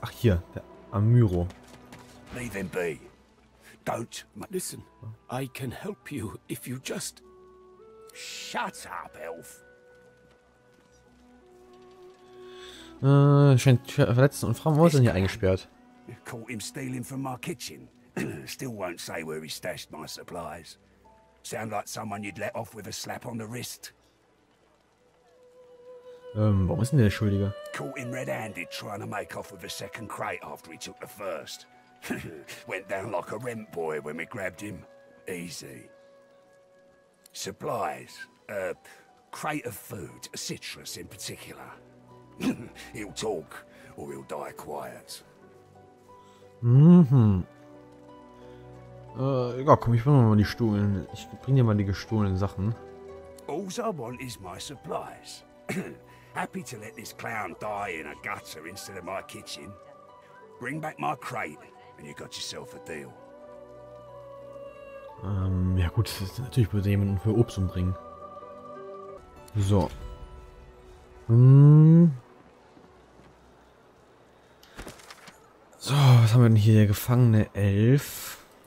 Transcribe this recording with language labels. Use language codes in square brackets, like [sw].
[de] Ach, hier. Der Amyro. [en] Leave him be. Don't... Listen, I can help you if you just... Shut up, Elf. [de] Scheint verletzt und Frauen sind hier eingesperrt. [en] Caught him stealing from my kitchen. Still won't say where he stashed my supplies. Sound like someone you'd let off with a slap on the wrist. [de] Warum ist denn der Schuldige? [en] Caught him red-handed trying to make off with a second crate after he took the first. Went down like a rent boy when we grabbed him. Easy. Supplies. Crate of food. Citrus in particular. He'll talk or he'll die quiet. Mhm. [de] Ja, komm, ich bring mal die gestohlenen. Ich bring dir mal die gestohlenen Sachen. [en] All I want is my supplies. Happy to let this clown die in a gutter instead of my kitchen. Bring back my crate and you got yourself a deal. [de] Ja gut, natürlich würde ich jemanden für Obst umbringen. So. So, was haben wir denn hier? Der gefangene Elf.